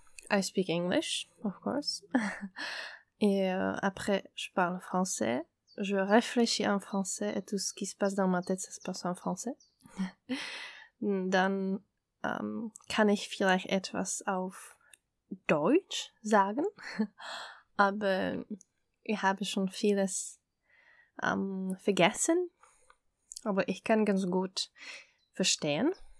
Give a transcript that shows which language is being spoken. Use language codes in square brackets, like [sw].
[en] I speak English, of course. [fr] Et après, je parle français. Je réfléchis en français et tout ce qui se passe dans ma tête, ça se passe en français. [de] Dann kann ich vielleicht etwas auf Deutsch sagen, aber ich habe schon vieles vergessen, aber ich kann ganz gut verstehen.